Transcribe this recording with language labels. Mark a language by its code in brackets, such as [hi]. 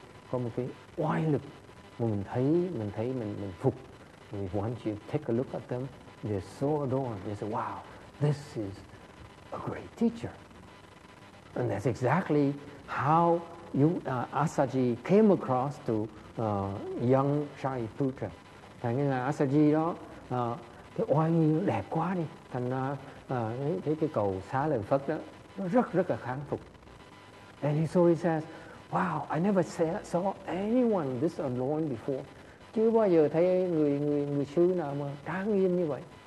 [vi] Có một cái oai lực. Mình thấy mình phục [en] we want you to take a look at them. They're so adorned. You say, wow, this is a great teacher. And that's exactly how Asaji came across to young Shariputra. [vi] Thành ra Asaji đó, cái oai nghi đẹp quá đi. Thành ra cái cầu xá lợi Phật đó, nó rất rất là kháng phục. [en] And so he says, wow, I never saw anyone this adorned before. [vi] Chưa bao giờ thấy người sư nào mà trang nghiêm như vậy.